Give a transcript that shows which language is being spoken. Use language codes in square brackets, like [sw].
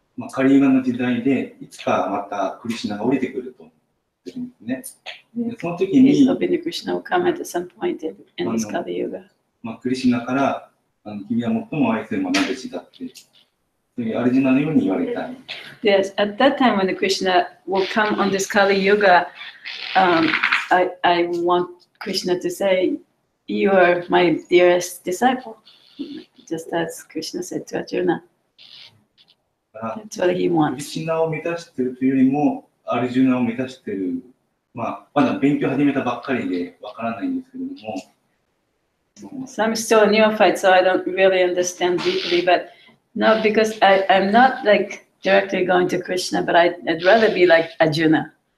[ja] カリーガの時代でいつかまたクリシナが降りてくると思ってるんですね。でその時に、 [en] He's hoping that Krishna will come at some point in this Kali Yuga. [ja] クリシナから君は最も愛する愛弟子だって、それアルジュナのように言われたい。 [en] Yes, at that time when Krishna will come on this Kali Yuga, I want Krishna to say, you are my dearest disciple. Just as Krishna said to Arjuna. That's what he wants. [ja] Krishna を満たしているというよりも、アルジュナを満たしている、まあ、まだ勉強始めたばっかりでわからないんですけれども、 [en] So I'm still a neophyte, so I don't really understand deeply, but not because I'm not like directly going to Krishna, but I'd rather be like Arjuna.